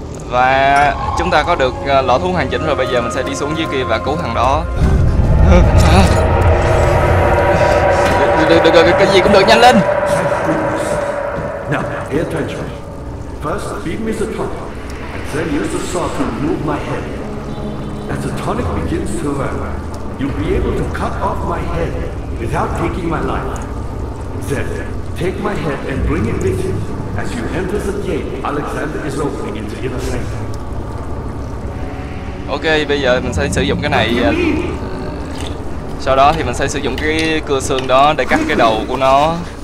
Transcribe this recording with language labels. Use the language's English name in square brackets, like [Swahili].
[Vietnamese] Và chúng ta có được lọ thuốc hoàn chỉnh rồi. Bây giờ mình sẽ đi xuống dưới kia và cứu thằng đó. Cái gì cũng được, nhanh lên. [English] Now, pay attention. First, feed me the tonic, and then use the saw to remove my head. As the tonic begins to work, you'll be able to cut off my head without taking my life. Then, take my head and bring it with you. As you enter the gate, Alexander is opening into inner sanctum. [Vietnamese] Ok, bây giờ mình sẽ sử dụng cái này. Sau đó thì mình sẽ sử dụng cái cưa xương đó để cắt cái đầu của nó.